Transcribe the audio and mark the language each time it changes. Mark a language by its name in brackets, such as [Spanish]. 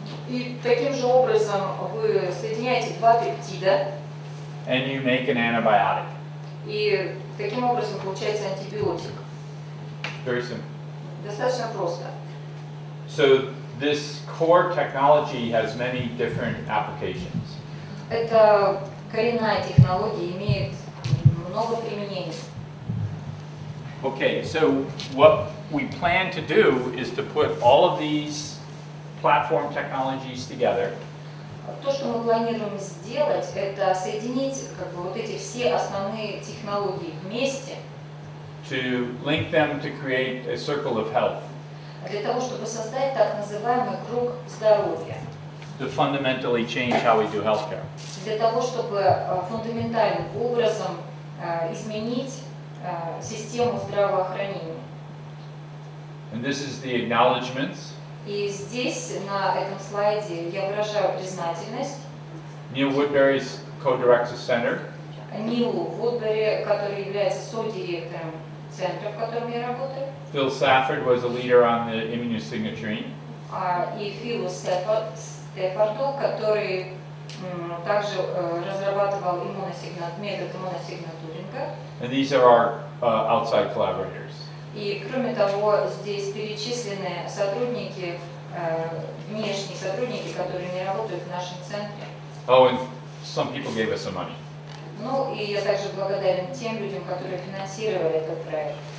[Russian] И таким же образом вы соединяете два пептида. [English] And you make an antibiotic. [Russian] И таким образом получается антибиотик. [English] Very simple. [Russian] Достаточно просто. [English] So this core technology has many different applications. [Russian] Это коренная технология имеет много применений. [English] Okay, so what we plan to do is to put all of these platform technologies together. [Russian] То, что мы планируем сделать, это соединить как бы вот эти все основные технологии вместе. [English] To link them to create a circle of health. [Russian] Для того, чтобы создать так называемый круг здоровья. [English] To fundamentally change how we do healthcare. [Russian] Для того, чтобы фундаментальным образом изменить систему здравоохранения. [English] And this is the acknowledgments. [Russian] И здесь, на этом слайде, я выражаю признательность. [English] Neil Woodbury's co-director center. [Russian] Нилу Вудбери, который является со-директором центра, в котором я работаю. [English] Phil Safford was a leader on the immunosignaturing. [Russian] И Филу Стефарду, который также разрабатывал метод иммуносигнатуринга. [English] And these are our outside collaborators. [Russian] И кроме того, здесь перечислены сотрудники, внешние сотрудники, которые не работают в нашем центре. [English] Oh, and some people gave us some money. [Russian] Ну, и я также благодарен тем людям, которые финансировали этот проект.